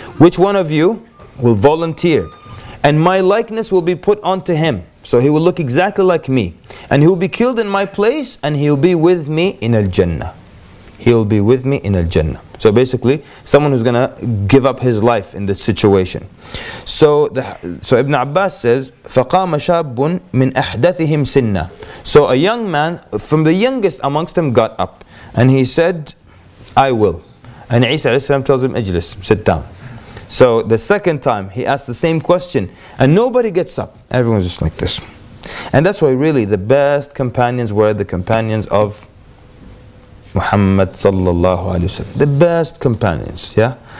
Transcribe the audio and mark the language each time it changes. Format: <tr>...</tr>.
<en>Which one of you will volunteer, and my likeness will be put onto him, so he will look exactly like me, and he will be killed in my place, and he will be with me in al-Jannah. He will be with me in al-Jannah. So basically, someone who's gonna give up his life in this situation. So Ibn Abbas says,</en> <ar>فَقَامَ شَابٌ مِنْ أَحْدَثِهِمْ سِنَّا.</ar> <en>So a young man from the youngest amongst them got up, and he said, I will. And Isa alayhi salam tells him,</en> <ar>اجلس,</ar> <en>sit down. So the second time, he asked the same question, and nobody gets up. Everyone's just like this. And that's why really the best companions were the companions of Muhammad sallallahu alayhi wa sallam. The best companions, yeah?</en>